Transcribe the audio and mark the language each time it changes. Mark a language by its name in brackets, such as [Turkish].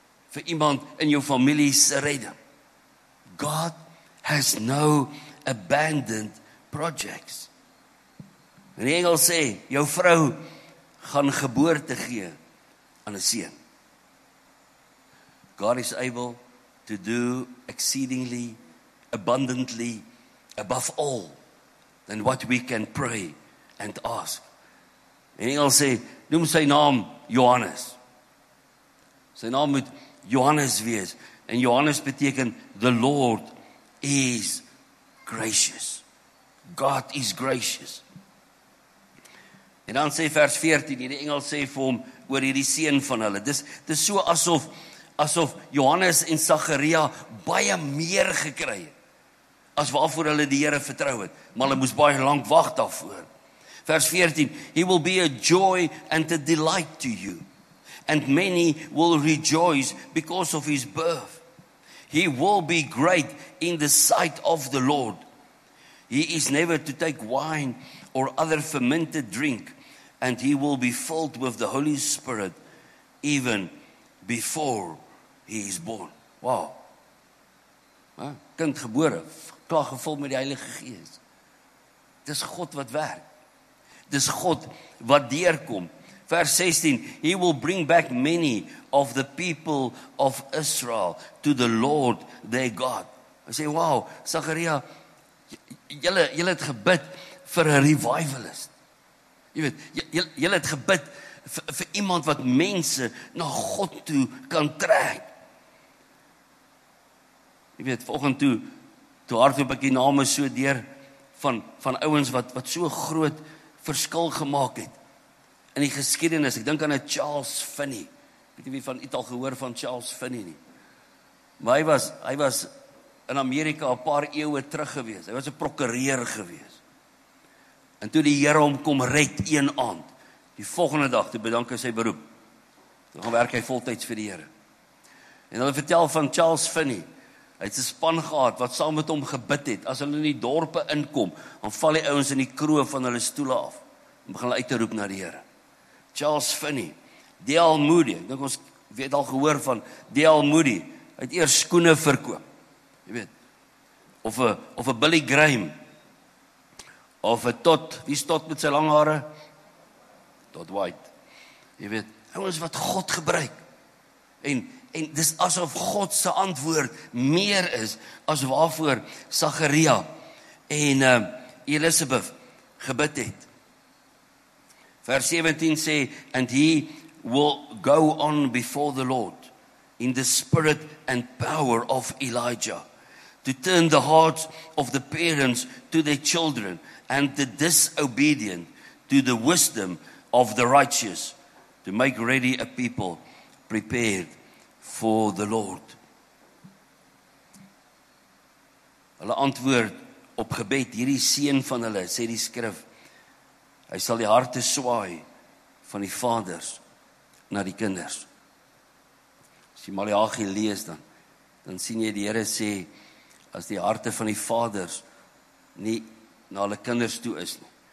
[Afrikaans] Vir iemand in jou familie se redding. [English] God has no abandoned projects. [Afrikaans] En die engel sê, jou vrou gaan geboorte gee aan 'n seun. [English] God is able to do exceedingly abundantly above all than what we can pray and ask. [Afrikaans] En hy sê, noem sy naam Johannes. Sy naam moet Johannes wees. En Johannes beteken, [English] the Lord is gracious. God is gracious. [Afrikaans] En dan sê vers 14, hierdie engel sê vir hom, oor hierdie seun van hulle. Dis so asof Johannes en Zachariah baie meer gekry het as waarvoor hulle die Here vertrou het, maar hulle moes baie lank wag daarvoor. Vers 14, [English] he will be a joy and a delight to you, and many will rejoice because of his birth. He will be great in the sight of the Lord. He is never to take wine or other fermented drink, and he will be filled with the Holy Spirit even before he is born. [Afrikaans] Wow. Kind gebore, klaar gevul met die Heilige Gees. Dis God wat werk. Dis God wat deurkom. Vers 16, [English] he will bring back many of the people of Israel to the Lord their God. [Afrikaans] Hy sê, wow, Zachariah, jylle het gebid vir 'n revivalist. Jy weet, jylle het gebid vir iemand wat mense na God toe kan trek. Jy weet, volgend toe hardloop ek die name so deur van ouens wat so groot verskil gemaak het in die geskiedenis. Ek dink aan 'n Charles Finney. Ek weet nie wie van u al gehoor van Charles Finney nie. Maar hy was in Amerika 'n paar eeue terug gewees. Hy was 'n prokureur gewees. En toe die Here hom kom red een aand, die volgende dag, toe bedank hy sy beroep. Toe gaan werk hy voltyds vir die Here. En hulle vertel van Charles Finney. Hy het 'n span gehad wat saam met hom gebid het. As hulle in die dorpe inkom, dan val die ouens in die kroe van hulle stoele af en begin hulle uit te roep na die Here. Charles Finney, D.L. Moody, ek dink ons weet al gehoor van D.L. Moody, het eers skoene verkoop, jy weet, of a Billy Graham, of a Tot, wie is Tot met sy lang hare? Tot White, jy weet, ouens wat God gebruik, en dis asof God se antwoord meer is as waarvoor Zachariah en Elisabeth gebid het. Vers 17 sê, [English] and he will go on before the Lord in the spirit and power of Elijah to turn the hearts of the parents to their children and the disobedient to the wisdom of the righteous to make ready a people prepared for the Lord. [Afrikaans] Hulle antwoord op gebed, hierdie seun van hulle, sê die skrif, hy sal die harte swaai van die vaders na die kinders. As jy Maleagi lees dan sien jy die Here sê, as die harte van die vaders nie na hulle kinders toe is nie,